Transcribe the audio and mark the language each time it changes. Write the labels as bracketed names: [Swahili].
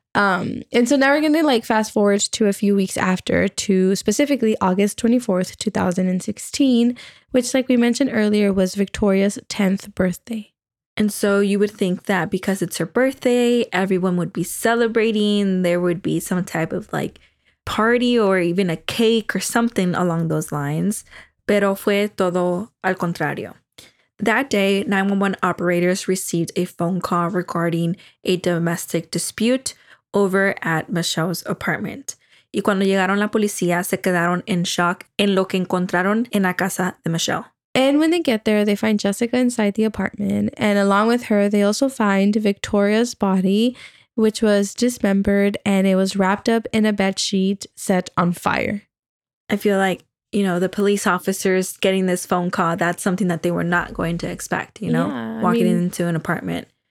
[English] And so now we're going to like fast forward to a few weeks after to specifically August 24th, 2016, which like we mentioned earlier was Victoria's 10th birthday. And so you would think that because it's her birthday, everyone would be celebrating. There would be some type of like party or even a cake or something along those lines. [Spanish] Pero fue todo al contrario. [English] That day, 911 operators received a phone call regarding a domestic dispute over at Michelle's apartment. [Spanish] Y cuando llegaron la policía, se quedaron en shock en lo que encontraron en la casa de Michelle. [English] And when they get there, they find Jessica inside the apartment. And along with her, they also find Victoria's body, which was dismembered and it was wrapped up in a bed sheet set on fire. I feel like, you know, the police officers getting this phone call, that's something that they were not going to expect, you know, into an apartment.